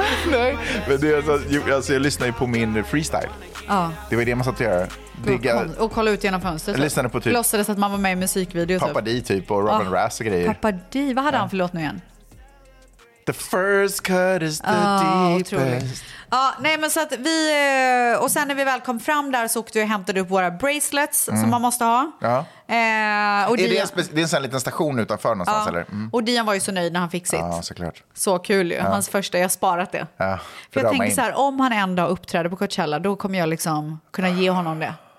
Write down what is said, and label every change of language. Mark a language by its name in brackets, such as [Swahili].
[Swedish] Nej, men det är så, alltså jag lyssnade ju på min freestyle. Ja. Det var det man satt och gjorde. Och kolla ut genom fönstret. Jag lyssnade på typ. Låtsades att man var med i musikvideo. Pappa D typ och Robin Rass och grejer. Pappa D, vad hade han för låt nu igen? [English] The first cut is the deepest. [Swedish] Otroligt. Ja, nej, men så att vi, och sen när vi väl kom fram där så åkte jag och hämtade upp våra bracelets som man måste ha. Ja. Och är det är en sån liten station utanför någonstans, eller? Mm. Och Dian var ju så nöjd när han fick sitt. Ja, såklart. Så kul ju. Hans första, jag sparat det. Ja, för jag tänker så här, om han en dag uppträder på Coachella, då kommer jag liksom kunna ge honom det.